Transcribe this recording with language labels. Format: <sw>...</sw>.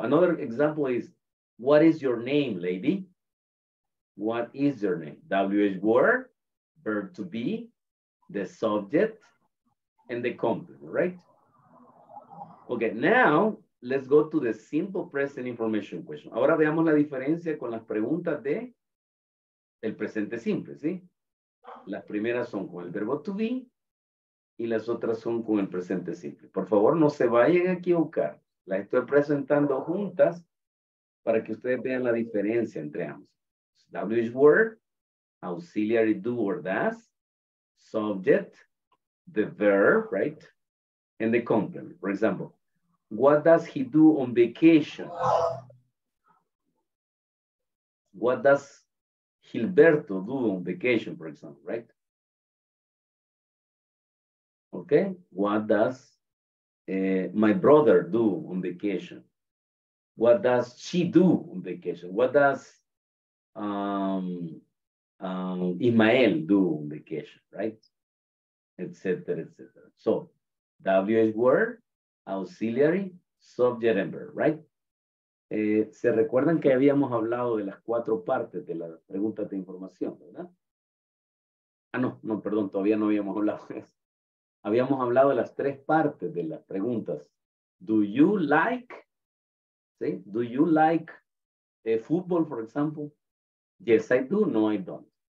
<en>Another example is, what is your name, lady? What is your name? WH word, verb to be, the subject, and the complement, right? Okay, now let's go to the simple present information question.</en> <es>Ahora veamos la diferencia con las preguntas de el presente simple, ¿sí? Las primeras son con el verbo to be y las otras son con el presente simple. Por favor, no se vayan a equivocar. Las estoy presentando juntas para que ustedes vean la diferencia entre ambas.</es> <en>WH word, auxiliary do or does, subject, the verb, right? And the complement. For example, what does he do on vacation? What does Gilberto do on vacation, for example, right? Okay, what does my brother do on vacation? What does she do on vacation? What does Ismael do on vacation, right? Etc., etc. So, WH word, auxiliary, subject and verb, right?</en> <es>¿Se recuerdan que habíamos hablado de las cuatro partes de las preguntas de información, verdad? Ah, no, no, perdón, todavía no habíamos hablado de eso. Habíamos hablado de las tres partes de las preguntas.</es> <en>Do you like, ¿sí? Do you like football, for example? Yes, I do. No, I don't.</en>